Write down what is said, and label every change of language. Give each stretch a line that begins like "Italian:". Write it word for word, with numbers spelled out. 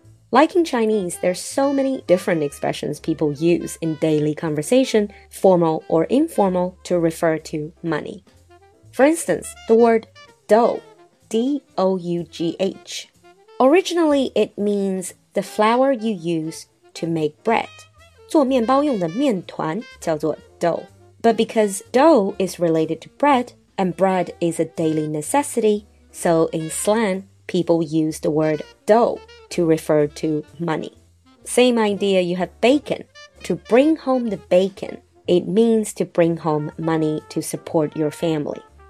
English: Like in Chinese, there's so many different expressions people use in daily conversation, formal or informal, to refer to money. For instance, the word dough, D O U G H. Originally, it means the flour you use to make bread.
Chinese: 做面包用的面团叫做 dough.
English: But because dough is related to bread, and bread is a daily necessity,So in slang, people use the word dough to refer to money. Same idea, you have bacon. To bring home the bacon, it means to bring home money to support your family.